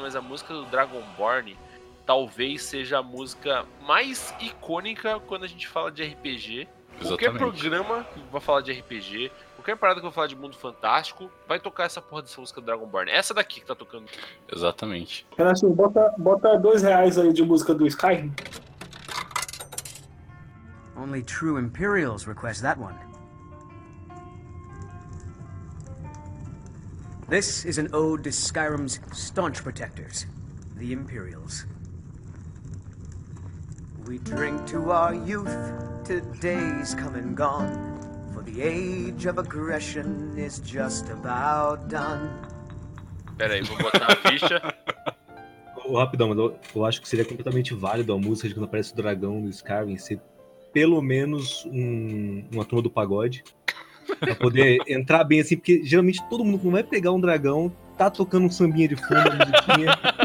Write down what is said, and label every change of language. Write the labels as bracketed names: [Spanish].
[Portuguese] Mas a música do Dragonborn talvez seja a música mais icônica quando a gente fala de RPG. Exatamente. Qualquer programa que vá falar de RPG, qualquer parada que vá falar de Mundo Fantástico, vai tocar essa porra dessa música do Dragonborn. Essa daqui que tá tocando. Exatamente. Renato, bota R$2 aí de música do Skyrim. [English] Only true Imperials request that one. This is an ode to Skyrim's staunch protectors, the Imperials. We drink to our youth, to days come and gone, for the age of aggression is just about done. [Portuguese] Pera aí, vou botar a ficha. Oh, rapidão, mas eu acho que seria completamente válido a música de quando aparece o dragão no Skyrim ser... pelo menos uma turma do pagode. Pra poder entrar bem assim, porque geralmente todo mundo que não vai pegar um dragão tá tocando um sambinha de fundo, musiquinha.